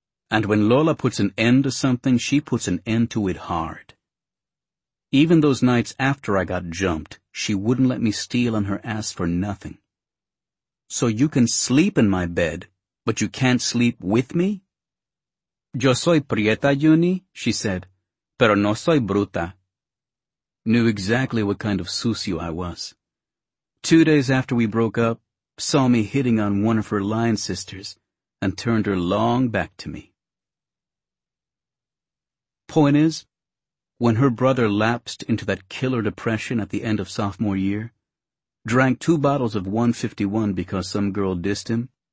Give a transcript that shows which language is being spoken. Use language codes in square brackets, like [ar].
[en] And when Lola puts an end to something, she puts an end to it hard. Even those nights after I got jumped, she wouldn't let me steal on her ass for nothing. So you can sleep in my bed, but you can't sleep with me? [es] Yo soy prieta, Juni, [en] she said, [es] pero no soy bruta. [en] Knew exactly what kind of sucio I was. 2 days after we broke up, saw me hitting on one of her lion sisters, and turned her long back to me. Point is, when her brother lapsed into that killer depression at the end of sophomore year, drank 2 bottles of 151 because some girl dissed him,